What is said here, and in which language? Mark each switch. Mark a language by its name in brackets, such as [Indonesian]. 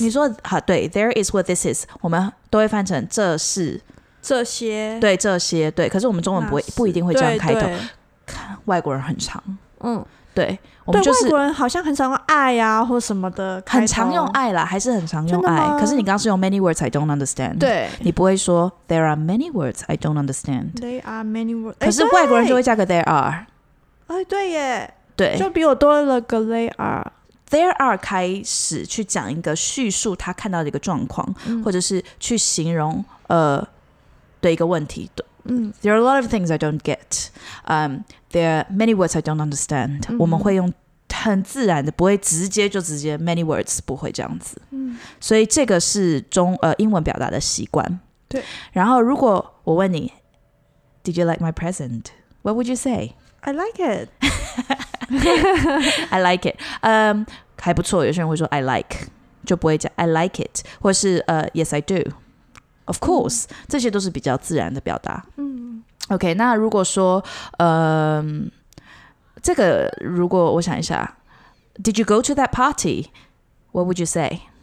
[Chinese] 你说好，对 ， [English] there is what this is， [Chinese] 我们都会翻成这是。这些对这些对，可是我们中文 不一定会这样开头，看外国人很常对，我们就是对外国人好像很常用爱啊或什么的开头，很常用爱啦，还是很常用爱，可是你刚刚是用 [English] many words I don't understand， [Chinese] 对，你不会说 [English] there are many words I don't understand， there are many words， [Chinese] 可是外国人就会加个 there are，哎对耶，对，就比我多了个 [English] they are。 There are [Chinese] 开始去讲一个叙述他看到的一个状况，或者是去形容的一个问题， [English] There are a lot of things I don't get. There are many words I don't understand. [Chinese] 我们会用很自然的，不会直接就直接 [English] many words， [Chinese] 不会这样子。所以这个是英文表达的习惯。对。然后如果我问你 [English] ，Did you like my present? What would you say? I like it. I like it. [Chinese] 还不错，有些人会说 [English] I like， [Chinese] 就不会讲 [English] I like it， [Chinese] 或是 [English] Yes I do。 Of course， [Chinese] 这些都是比较自然的表达。 [English] OK， [Chinese] 那如果说这个如果我想一下 [English] ，Did you go to that party？ What would you say？